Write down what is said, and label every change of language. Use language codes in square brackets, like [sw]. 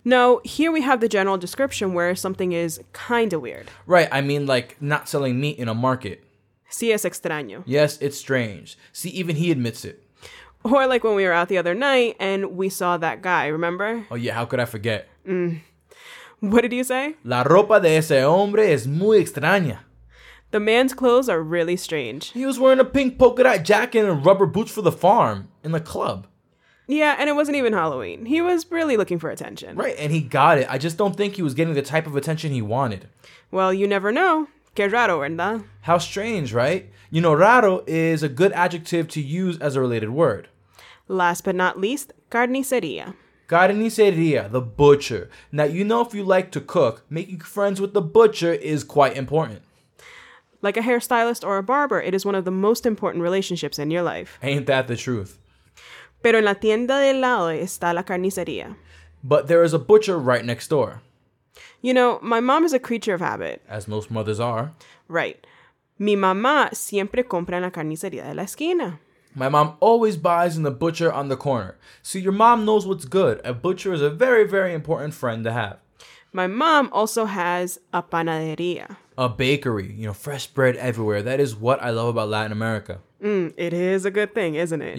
[en] No, here we have the general description where something is kinda weird. Right, I mean like not selling meat in a market. [es] Sí, es extraño. [en] Yes, it's strange. See, even he admits it. Or like when we were out the other night and we saw that guy, remember? Oh yeah, how could I forget? What did you say? [es] La ropa de ese hombre es muy extraña. [en] The man's clothes are really strange. He was wearing a pink polka dot jacket and rubber boots for the farm in the club. Yeah, and it wasn't even Halloween. He was really looking for attention. Right, and he got it. I just don't think he was getting the type of attention he wanted. Well, you never know. [es] Qué raro, ¿verdad? [en] How strange, right? You know, raro is a good adjective to use as a related word. Last but not least, carnicería. Carnicería, the butcher. Now, you know if you like to cook, making friends with the butcher is quite important. Like a hairstylist or a barber, it is one of the most important relationships in your life. Ain't that the truth? [es] Pero en la tienda del lado está la carnicería. [en] But there is a butcher right next door. You know, my mom is a creature of habit. As most mothers are. Right. [es] Mi mamá siempre compra en la carnicería de la esquina. [en] My mom always buys in the butcher on the corner. See, your mom knows what's good. A butcher is a very, very important friend to have. My mom also has a panadería. A bakery. You know, fresh bread everywhere. That is what I love about Latin America. It is a good thing, isn't it?